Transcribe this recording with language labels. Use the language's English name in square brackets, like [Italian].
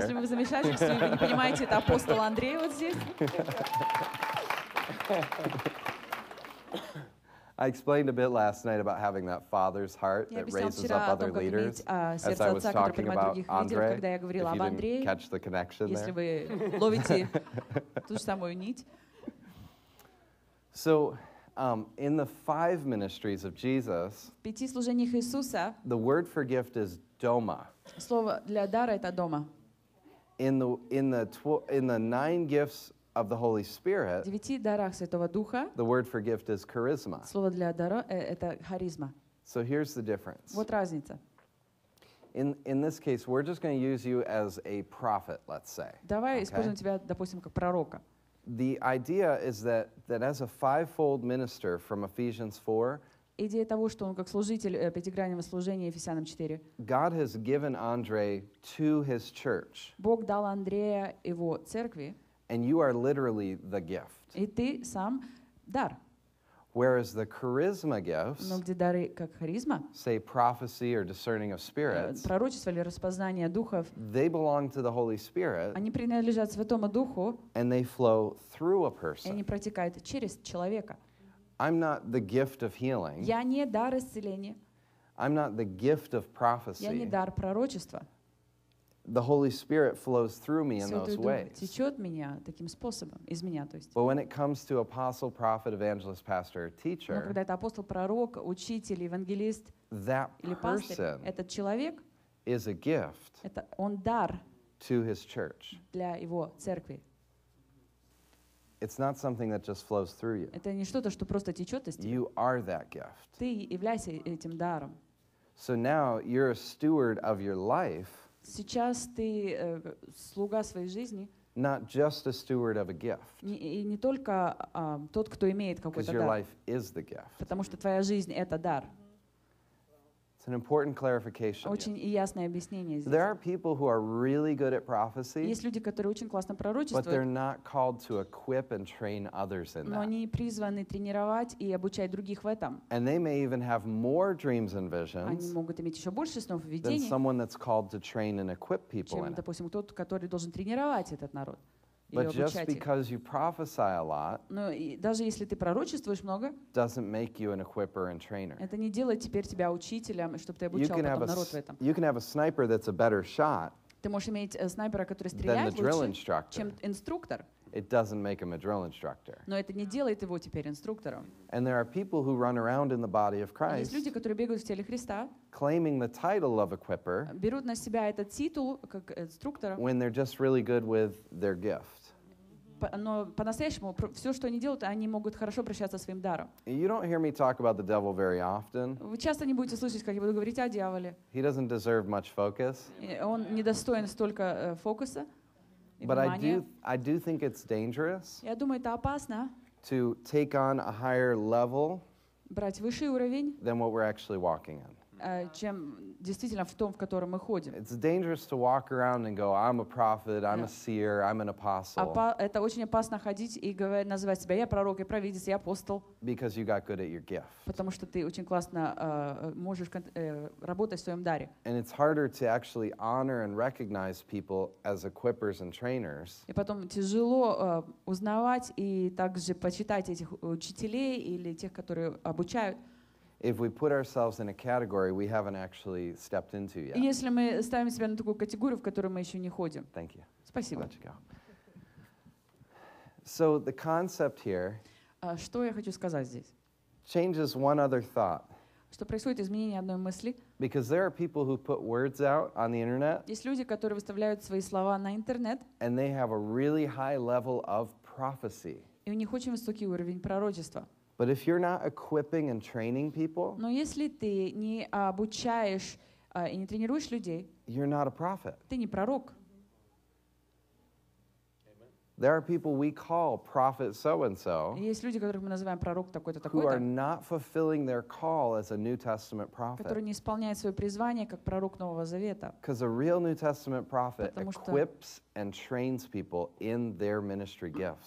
[Russian] Если вы замешались, если вы не понимаете, это апостол Андрей вот здесь. [English] I explained a bit last night about having that father's heart that raises up other leaders. As I was talking about Andre, if you didn't catch the connection there. [Russian] Если вы ловите ту же самую нить. [English] So, in the five ministries of Jesus, [Russian] в пяти служениях Иисуса, [English] the word for gift is doma. [Russian] Слово для дара это дома. [English] In the nine gifts. Of the Holy Spirit. [Russian] В девяти дарах Святого Духа. [English] The word for gift is charisma. [Russian] Слово для дара это харизма. [English] So here's the difference. [Russian] Вот разница. [English] In this case, we're just going to use you as a prophet, let's say. [Russian] Давай используем тебя, допустим, как пророка. [English] The idea is that as a fivefold minister from Ephesians 4. [Russian] Идея того, что он как служитель пятигранного служения Ефесянам 4. [English] God has given Andre to His church. [Russian] Бог дал Андрея его церкви. [English] And you are literally the gift. [Russian] И ты сам дар. [English] Whereas the charisma gifts, [Russian] но где дары как харизма, [English] say prophecy or discerning of spirits, [Russian] пророчество или распознание духов, [English] they belong to the Holy Spirit, [Russian] они принадлежат Святому Духу, [English] and they flow through a person. [Russian] И они протекают через человека. [English] I'm not the gift of healing. [Russian] Я не дар исцеления. [English] I'm not the gift of prophecy. [Russian] Я не дар пророчества. [English] The Holy Spirit flows through me in those ways. [Russian] Течет меня таким способом, из меня, то есть. [English] But when it comes to apostle, prophet, evangelist, pastor, teacher, [Russian] но когда это апостол, пророк, учитель, евангелист, [English] that [Russian] или пастор, этот человек, [English] is a gift, [Russian] это он дар, [English] to his church, [Russian] для его церкви. [English] It's not something that just flows through you. [Russian] Это не что-то, что просто течет из тебя. [English] You are that gift. [Russian] Ты являешься этим даром. [English] So now you're a steward of your life. [Russian] Сейчас ты слуга своей жизни. [English] Not just a steward of a gift. [Russian] И не только тот, кто имеет какой-то дар. [English] Because your life is the gift. [Russian] Потому что твоя жизнь — это дар. [English] It's an important clarification. [Russian] Очень ясное объяснение здесь. [English] There are people who are really good at prophecy. [Russian] Есть люди, которые очень классно пророчествуют. [English] But they're not called to equip and train others in that. [Russian] Но они призваны тренировать и обучать других в этом. [English] And they may even have more dreams and visions. [Russian] Они могут иметь еще больше снов и видений. [English] Than someone that's called to train and equip people in. [Russian] Чем, допустим, тот, который должен тренировать этот народ. [English] But just because you prophesy a lot, [Russian] но даже если ты пророчествуешь много, [English] doesn't make you an equipper and trainer. [Russian] Это не делает теперь тебя учителем, чтобы ты обучал потом народ в этом. [English] You can have a sniper that's a better shot. [Russian] Ты можешь иметь снайпера, который стреляет лучше, чем инструктор. [English] It doesn't make him a drill instructor. [Russian] Но это не делает его теперь инструктором. [English] And there are people who run around in the body of Christ. [Russian] Есть люди, которые бегают в теле Христа. [English] Claiming the title of equipper. [Russian] Берут на себя этот титул как инструктора. [English] When they're just really good with their gift. [Russian] Но по-настоящему все, что они делают, они могут хорошо обращаться со своим даром. [English] You don't hear me talk about the devil very often. [Russian] Вы часто не будете слышать, как я буду говорить о дьяволе. [English] He doesn't deserve much focus. [Russian] Он недостоин столько фокуса. [English] But I do think it's dangerous. [Russian] Я думаю, это опасно. [English] To take on a higher level. [Russian] Брать высший уровень. [English] Than what we're actually walking in. [Russian] Чем действительно в том, в котором мы ходим. [English] It's dangerous to walk around and go, I'm a prophet, I'm a seer, I'm an apostle. [Russian] Это очень опасно ходить и называть себя я пророк, я провидец, я апостол. [English] Because you got good at your gift. [Russian] Потому что ты очень классно можешь работать в своем даре. [English] And it's harder to actually honor and recognize people as equippers and trainers. [Russian] И потом тяжело узнавать и также почитать этих учителей или тех, которые обучают. [English] If we put ourselves in a category we haven't actually stepped into yet. [Russian] Если мы ставим себя на такую категорию, в которую мы еще не ходим. [English] Thank you. [Russian] Спасибо. [English] Let you go. So the concept here. [Russian] Что я хочу сказать здесь? [English] Changes one other thought. [Russian] Что происходит изменение одной мысли? [English] Because there are people who put words out on the internet. [Russian] Есть люди, которые выставляют свои слова на интернет. [English] And they have a really high level of prophecy. [Russian] И у них очень высокий уровень пророчества. [English] But if you're not equipping and training people, [Russian] но если ты не обучаешь и не тренируешь людей, [English] you're not a prophet. [Russian] Ты не пророк. [English] There are people we call prophet so and so. [Russian] Есть люди, которых мы называем пророк такой-то, такой-то. [English] Who are not fulfilling their call as a New Testament prophet. [Russian] Которые не исполняют свое призвание как пророк Нового Завета. [English] Because a real New Testament prophet equips and trains people in their ministry gifts.